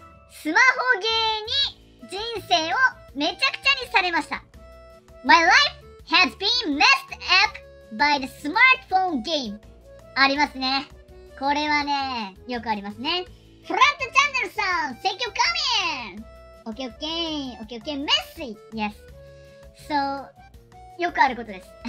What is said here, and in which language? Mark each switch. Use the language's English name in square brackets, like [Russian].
[Japanese] スマホゲーに人生をめちゃくちゃにされました。 [English] My life has been messed up by the smartphone game. [Japanese] ありますね。これはね、よくありますね。 [English] フラットチャンネルさん、Thank you coming! OK, messy! Yes. [Japanese] So, よくあることです。